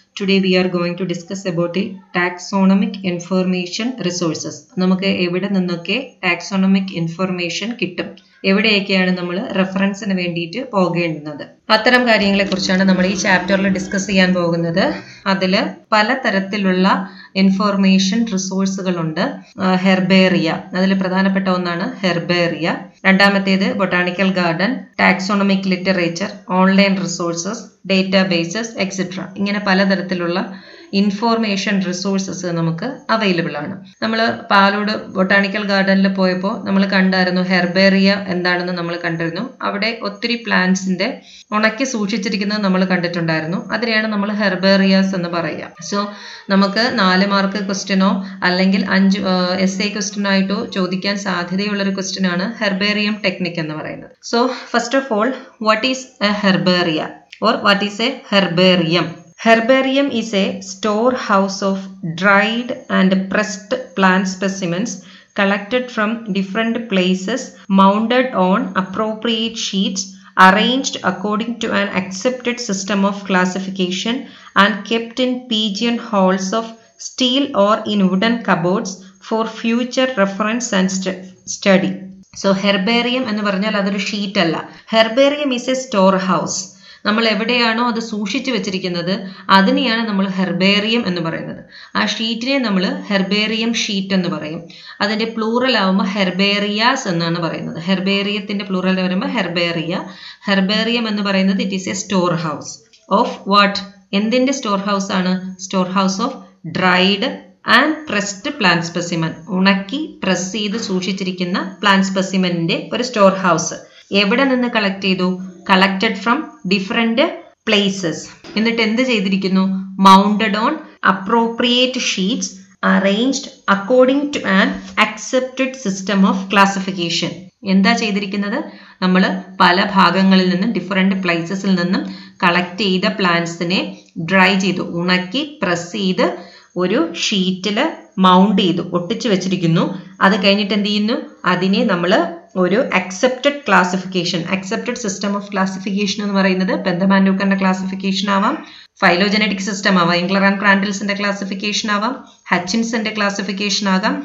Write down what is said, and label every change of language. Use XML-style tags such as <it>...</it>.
<en>Today we are going to discuss about the taxonomic information resources.</en> <ml>നമുക്ക് എവിടെ നിന്നൊക്കെ taxonomic information കിട്ടും, എവിടെയൊക്കെയാണ് നമ്മൾ റെഫറൻസിന് വേണ്ടിയിട്ട് പോകേണ്ടുന്നത്, അത്തരം കാര്യങ്ങളെ കുറിച്ചാണ് നമ്മൾ ഈ ചാപ്റ്ററിൽ ഡിസ്കസ് ചെയ്യാൻ പോകുന്നത്. അതിൽ പലതരത്തിലുള്ള ഇൻഫോർമേഷൻ റിസോഴ്സുകളുണ്ട്. ഹെർബേറിയ, അതിൽ പ്രധാനപ്പെട്ട ഒന്നാണ് ഹെർബേറിയ. രണ്ടാമത്തേത് botanical garden, taxonomic literature, online resources, databases etcetera. ഇങ്ങനെ പലതരത്തിലുള്ള ഇൻഫോർമേഷൻ റിസോഴ്സസ് നമുക്ക് അവൈലബിൾ ആണ്. നമ്മൾ പാലോട് ബൊട്ടാണിക്കൽ ഗാർഡനിൽ പോയപ്പോൾ നമ്മൾ കണ്ടായിരുന്നു ഹെർബേറിയ എന്താണെന്ന് നമ്മൾ കണ്ടിരുന്നു. അവിടെ ഒത്തിരി പ്ലാന്റ്സിന്റെ ഉണക്കി സൂക്ഷിച്ചിരിക്കുന്നത് നമ്മൾ കണ്ടിട്ടുണ്ടായിരുന്നു. അതിനെയാണ് നമ്മൾ ഹെർബേറിയാസ് എന്ന് പറയുക. സോ നമുക്ക് 4 മാർക്ക് ക്വസ്റ്റ്യനോ അല്ലെങ്കിൽ 5 എസ്എ ക്വസ്റ്റ്യൻ ആയിട്ടോ ചോദിക്കാൻ സാധ്യതയുള്ള ഒരു ക്വസ്റ്റ്യൻ ആണ് ഹെർബേറിയം ടെക്നിക് എന്ന് പറയുന്നത്.</ml> <en>So first of all, what is a herbaria or what is a herbarium? Herbarium is a storehouse of dried and pressed plant specimens collected from different places, mounted on appropriate sheets, arranged according to an accepted system of classification, and kept in pigeon holes of steel or in wooden cupboards for future reference and study.</en> <ml>So herbarium ennu paranjal adu sheet alla.</ml> <en>Herbarium is a storehouse.</en> <ml>നമ്മൾ എവിടെയാണോ അത് സൂക്ഷിച്ചു വെച്ചിരിക്കുന്നത് അതിനെയാണ് നമ്മൾ herbarium എന്ന് പറയുന്നത്. ആ ഷീറ്റിനെ നമ്മൾ ഹെർബേറിയം ഷീറ്റ് എന്ന് പറയും. അതിൻ്റെ പ്ലൂറൽ ആവുമ്പോൾ ഹെർബേറിയാസ് എന്നാണ് പറയുന്നത്. ഹെർബേറിയത്തിൻ്റെ പ്ലൂറൽ എന്ന് പറയുമ്പോൾ ഹെർബേറിയ. ഹെർബേറിയം എന്ന് പറയുന്നത്</ml> <en>It is a store house of what?</en> <ml>എന്തിൻ്റെ സ്റ്റോർ ഹൗസ് ആണ്?</ml> <en>Store house of dried and pressed plant specimen.</en> <ml>ഉണക്കി പ്രസ് ചെയ്ത് സൂക്ഷിച്ചിരിക്കുന്ന പ്ലാന്റ് സ്പെസിമെൻ്റെ ഒരു സ്റ്റോർ ഹൗസ്. എവിടെ നിന്ന് കളക്ട് ചെയ്തു?</ml> <en>Collected from different places. In the 10th chapter, you know, mounted on appropriate sheets, arranged according to an accepted system of classification.</en> <ml>എന്താ ചെയ്തിരിക്കുന്നത്? നമ്മൾ പല ഭാഗങ്ങളിൽ നിന്നും ഡിഫറെൻ്റ് പ്ലേസസിൽ നിന്നും കളക്ട് ചെയ്ത പ്ലാന്റ്സിനെ ഡ്രൈ ചെയ്തു, ഉണക്കി പ്രസ് ചെയ്ത് ഒരു ഷീറ്റിൽ മൗണ്ട് ചെയ്തു, ഒട്ടിച്ചു വെച്ചിരിക്കുന്നു. അത് കഴിഞ്ഞിട്ട് എന്ത് ചെയ്യുന്നു? അതിനെ നമ്മൾ ഒരു accepted classification, accepted system of classification എന്ന് പറയുന്നത് പെന്തമാൻഡൂക്കറിൻ്റെ ക്ലാസിഫിക്കേഷൻ ആവാം, ഫൈലോജനറ്റിക് സിസ്റ്റം ആവാം, ഇംഗ്ലർ ആൻഡ് ക്രാൻഡിൽസിൻ്റെ ക്ലാസിഫിക്കേഷൻ ആവാം, ഹച്ചിൻസിൻ്റെ ക്ലാസിഫിക്കേഷൻ ആകാം.</ml>